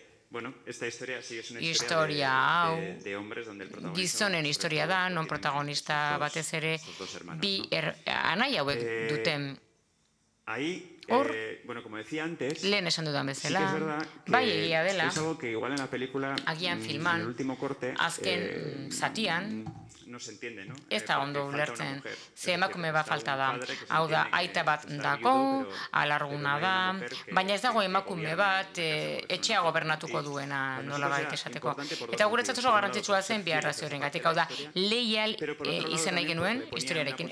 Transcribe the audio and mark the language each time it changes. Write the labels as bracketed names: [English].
[Spanish] Bueno, esta historia sigue siendo [Basque] historia hau, [Spanish] de hombres donde el protagonista [Basque] gizonen historia da, non protagonista batez ere bi anai hauek duten. [Spanish] Ahí, bueno, como decía antes, [Basque] lehen esan dudan bezala, [Spanish] sí [Basque] bai egia dela, [Spanish] es algo que igual en la película, [Basque] agian filman, [Spanish] en el último corte, [Basque] azken zatian, [Spanish] no se entiende, ¿no? [Basque] Esta ondo ulertzen, ze emakume bat falta da. Hau da, aita bat dago, alarguna da, baina ez dago emakume bat etxea gobernatuko duena nola baita esateko. Eta guretzat oso garrantzitsua zen biarrazioaren gatik. Hau da, leial izan nahi genuen historiarekin.